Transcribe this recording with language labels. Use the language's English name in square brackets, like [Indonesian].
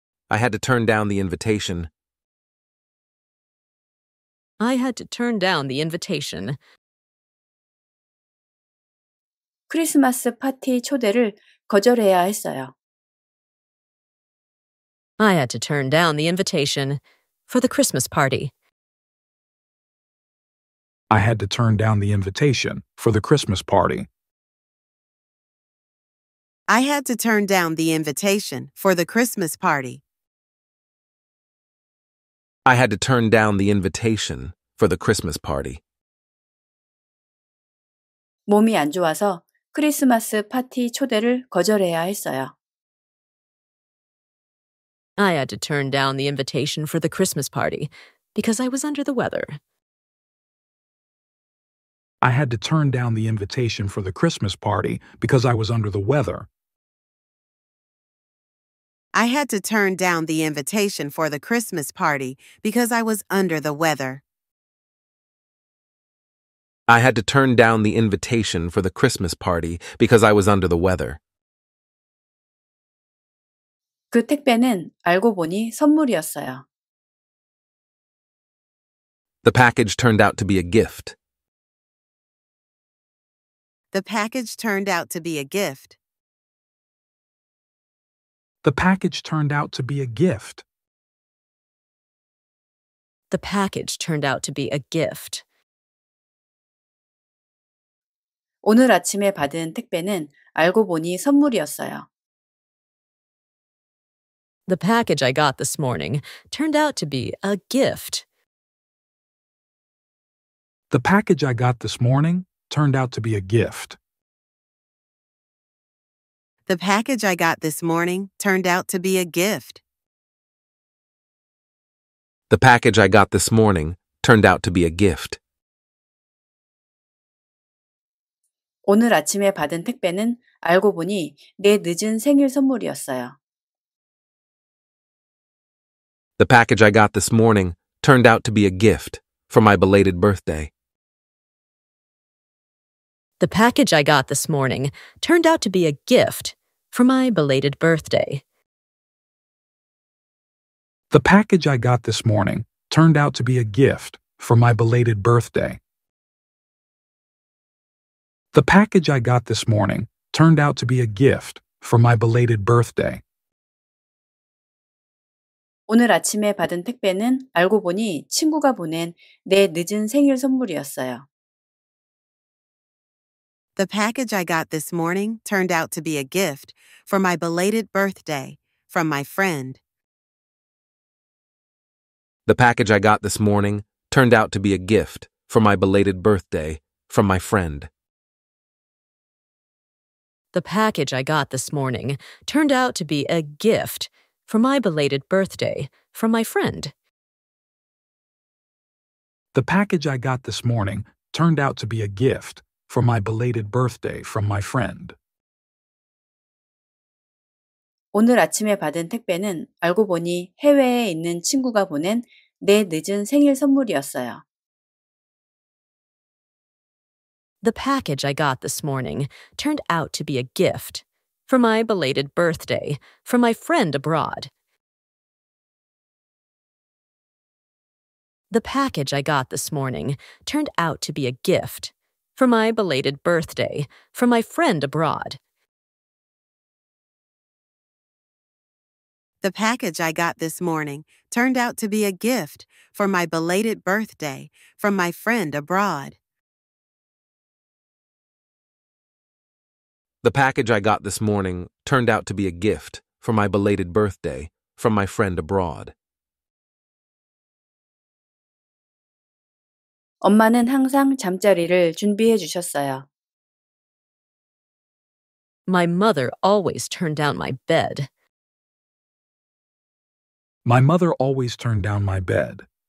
[English] I had to turn down the invitation. I had to turn down the invitation. [Korean] 크리스마스 파티 초대를 거절해야 했어요. [English] I had to turn down the invitation for the Christmas party. I had to turn down the invitation for the Christmas party. I had to turn down the invitation for the Christmas party. I had to turn down the invitation for the Christmas party. [Korean] 몸이 안 좋아서 크리스마스 파티 초대를 거절해야 했어요. [English] I had to turn down the invitation for the Christmas party because I was under the weather. I had to turn down the invitation for the Christmas party because I was under the weather. I had to turn down the invitation for the Christmas party because I was under the weather. I had to turn down the invitation for the Christmas party because I was under the weather. [Korean] 그 택배는 알고 보니 선물이었어요. [English] The package turned out to be a gift. The package turned out to be a gift. The package turned out to be a gift. The package turned out to be a gift. [Korean] 오늘 아침에 받은 택배는 알고 보니 선물이었어요. [English] The package I got this morning turned out to be a gift. The package I got this morning turned out to be a gift. The package I got this morning turned out to be a gift. The package I got this morning turned out to be a gift. [Korean] 오늘 아침에 받은 택배는 알고 보니 내 늦은 생일 선물이었어요. [English] The package I got this morning turned out to be a gift for my belated birthday. The package I got this morning turned out to be a gift for my belated birthday. The package I got this morning turned out to be a gift for my belated birthday. The package I got this morning turned out to be a gift for my belated birthday. [Korean] 오늘 아침에 받은 택배는 알고 보니 친구가 보낸 내 늦은 생일 선물이었어요. [English] The package I got this morning turned out to be a gift for my belated birthday from my friend. The package I got this morning turned out to be a gift for my belated birthday from my friend. The package I got this morning turned out to be a gift for my belated birthday from my friend. The package I got this morning turned out to be a gift for my belated birthday from my friend. [Korean] 오늘 아침에 받은 택배는 알고 보니 해외에 있는 친구가 보낸 내 늦은 생일 선물이었어요. [English] The package I got this morning turned out to be a gift for my belated birthday from my friend abroad. The package I got this morning turned out to be a gift for my belated birthday, for my friend abroad. The package I got this morning turned out to be a gift for my belated birthday from my friend abroad. The package I got this morning turned out to be a gift for my belated birthday from my friend abroad. [Korean] 엄마는 항상 잠자리를 준비해 주셨어요. [English] My mother always turned down my bed. My mother always turned down my bed.